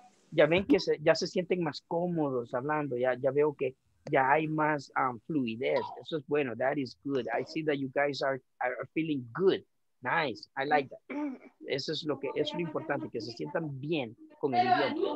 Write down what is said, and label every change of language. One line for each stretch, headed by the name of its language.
Spanish: Ya ven que se, ya se sienten más cómodos hablando, ya, ya veo que ya hay más fluidez. Eso es bueno,
English: that is good. I see that you guys are feeling good. Nice, I like that.
Spanish: Eso es lo que es lo importante, que se sientan bien con el idioma.